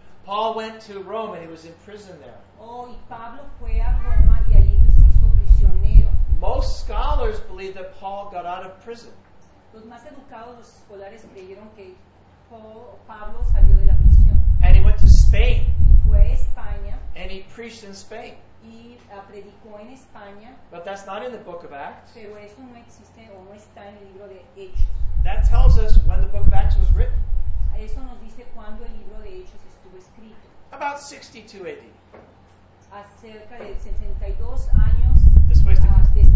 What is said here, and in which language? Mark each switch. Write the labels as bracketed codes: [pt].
[en] Paul went to Rome and he was imprisoned there. [es] Oh, y Pablo fue a Roma y allí se hizo prisionero. [en] Most scholars believe that Paul got out of prison. [es] Los más educados, los escolares, creyeron que Pablo salió de la prisión. [en] And he went to Spain. [es] España, [en] and he preached in Spain. [es] Y, predicó en España, [en] but that's not in the book of Acts. [es] Pero eso no existe, o no está en el libro de Hechos. [en] That tells us when the book of Acts was written. [es] Eso nos dice cuando el libro de Hechos estuvo escrito. [en] About 62 AD. [es] Acerca de 62 años después de Cristo.